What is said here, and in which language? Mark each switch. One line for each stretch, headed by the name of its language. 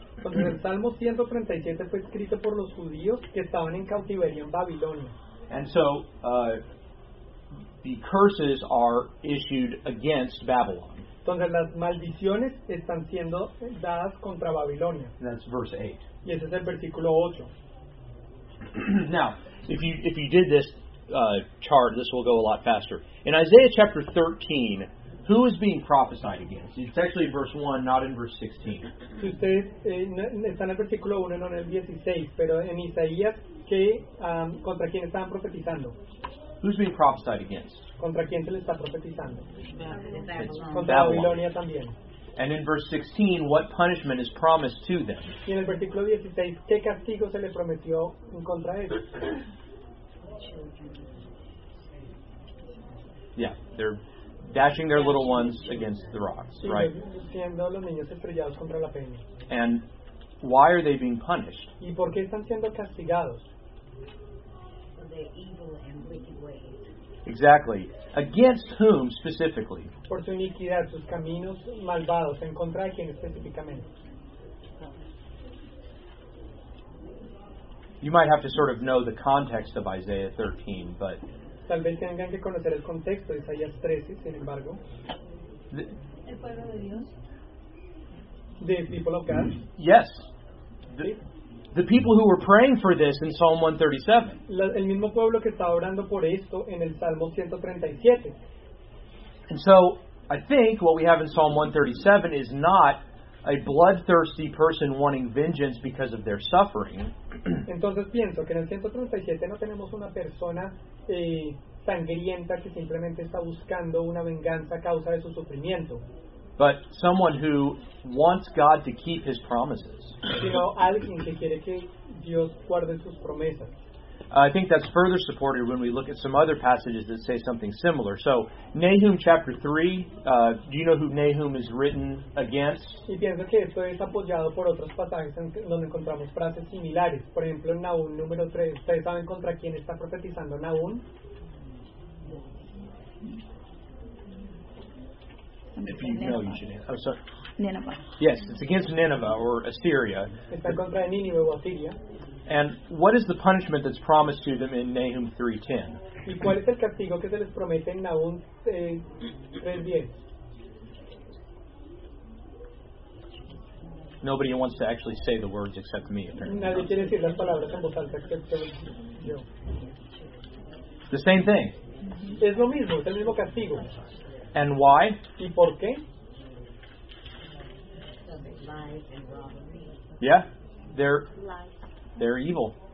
Spanish: Entonces el Salmo 137 fue escrito por los judíos que estaban en cautiverio en Babilonia.
English: And so the curses are issued against Babylon.
Spanish: Entonces las maldiciones están siendo dadas contra Babilonia.
English: And that's verse 8.
Spanish: Y ese es el versículo 8.
English: Now, if you did this chart, this will go a lot faster. In Isaiah chapter 13, who is being prophesied against? It's actually verse 1, not in verse 16.
Spanish: Si ustedes están en el versículo 1, no en el 16, pero en Isaías, ¿contra quién están profetizando?
English: Who's being prophesied against?
Spanish: ¿Contra quién se le está profetizando? Contra Babilonia también.
English: And in verse 16, what punishment is promised to them?
Spanish: Y en el versículo 16, ¿qué castigo se le prometió en contra de ellos?
English: Yeah, they're dashing their little ones against the rocks, right?
Spanish: Siendo los niños estrellados contra la peña.
English: And why are they being punished?
Spanish: ¿Y por qué están siendo castigados?
English: For their evil and wicked ways. Exactly. Against whom specifically?
Spanish: Por su iniquidad, sus caminos malvados. ¿En contra de quién específicamente?
English: You might have to sort of know the context of Isaiah 13, but
Spanish: tal vez tengan que conocer el contexto de Isaías 13, sin embargo. El pueblo de Dios.
English: The people of God. Yes. The people who were praying for this in Psalm 137.
Spanish: El mismo pueblo que estaba orando por esto en el Salmo 137.
English: And so, I think what we have in Psalm 137 is not a bloodthirsty person wanting vengeance because of their suffering.
Spanish: Entonces pienso que en el 137 no tenemos una persona sangrienta que simplemente está buscando una venganza a causa de su sufrimiento.
English: But someone who wants God to keep his promises.
Spanish: Sino alguien que quiere que Dios guarde sus promesas.
English: I think that's further supported when we look at some other passages that say something similar. So, Nahum chapter 3, do you know who Nahum is written against?
Spanish: Y pienso que esto es apoyado por otros pasajes en donde encontramos frases similares. Por ejemplo, en Nahum número 3, ¿ustedes saben contra quién está profetizando Nahum?
English: If you know, you should answer. Oh, sorry. Nineveh. Yes, it's against Nineveh or Assyria.
Spanish: Está contra Nínive o Asiria.
English: And what is the punishment that's promised to them in Nahum 3:10?
Spanish: ¿Y cuál es el castigo que se les promete en Nahum 3:10?
English: Nobody wants to actually say the words except me, apparently.
Spanish: Nadie quiere decir las palabras en voz alta excepto yo.
English: The same thing.
Spanish: Es lo mismo, es el mismo castigo.
English: And why?
Spanish: ¿Y por qué?
English: Yeah, they're evil.